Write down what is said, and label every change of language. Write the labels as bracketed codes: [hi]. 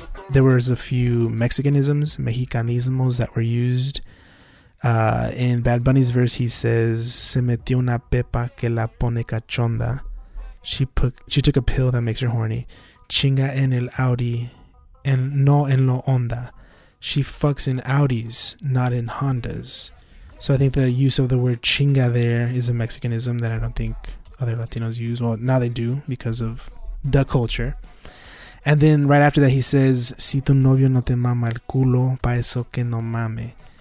[en] There was a few Mexicanisms, mexicanismos, that were used. In Bad Bunny's verse, he says, [es] se metió una pepa que la pone cachonda. [en] She took a pill that makes her horny. [es] Chinga en el Audi, en, no en lo Honda. [en] She fucks in Audis, not in Hondas. So I think the use of the word chinga there is a Mexicanism that I don't think other Latinos use. Well, now they do because of the culture. And then right after that, he says, [es] si tu novio no te mama el culo, pa eso que no mame.